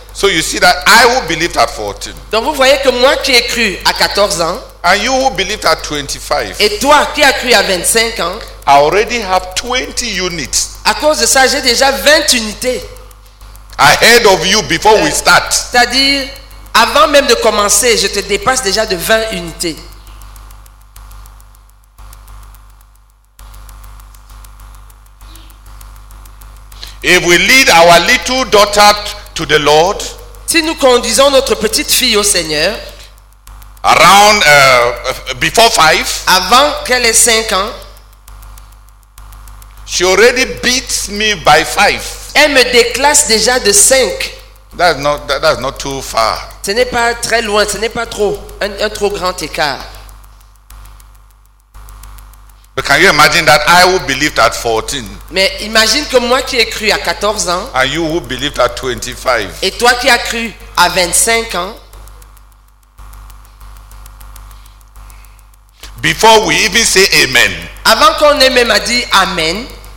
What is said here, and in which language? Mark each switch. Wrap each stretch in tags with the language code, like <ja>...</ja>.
<en>So you see that I who believed at 14.</en> <fr>Donc vous voyez que moi qui ai cru à 14 ans.</fr> <en>And you who believed at 25.</en> <fr>Et toi qui as cru à 25 ans.</fr> <en>I already have 20 units.</en> <fr>À cause de ça, j'ai déjà 20 unités.</fr> <en>Ahead of you before we start.</en> <fr>C'est-à-dire avant même de commencer, je te dépasse déjà de 20 unités.</fr> <en>If we lead our little daughter to the Lord,</en> <fr>si nous conduisons notre petite fille au Seigneur,</fr> <en>around before 5,</en> <fr>avant qu'elle ait 5 ans,</fr> <en>she already beats me by 5.</en> <fr>Elle me déclasse déjà de 5.</fr> <en>That's not too far.</en> <fr>Ce n'est pas très loin, ce n'est pas trop un trop grand écart.</fr> <en>But can you imagine that I who believed at 14?</en> <fr>Mais imagine que moi qui ai cru à 14 ans.</fr> <en>And you who believed at 25.</en> <fr>Et toi qui as cru à 25 ans.</fr> <en>Before we even say amen.</en> <fr>Avant qu'on ait même dit amen.</fr>